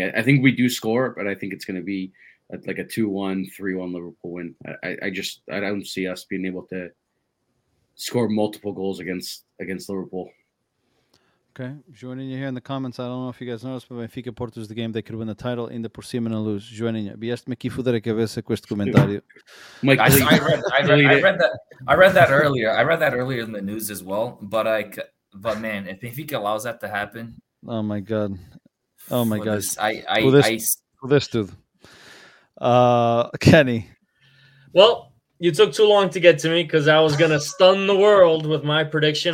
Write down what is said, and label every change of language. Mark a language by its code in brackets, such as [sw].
[en] I think we do score, but I think it's going to be like a 2-1, 3-1 Liverpool win. I don't see us being able to score multiple goals against Liverpool. Okay. Joaninha here in the comments. I don't know if you guys noticed, but Benfica Porto is the game. They could win the title in the [pt] por cima [en] and lose. [pt] Joaninha, vieste-me aqui fuder a cabeça com este comentário. [en] I read that earlier. I read that earlier in the news as well. But man, if Benfica allows that to happen. Oh, my God. Oh, my God. This dude. Kenny. Well, you took too long to get to me because I was going to stun the world with my prediction.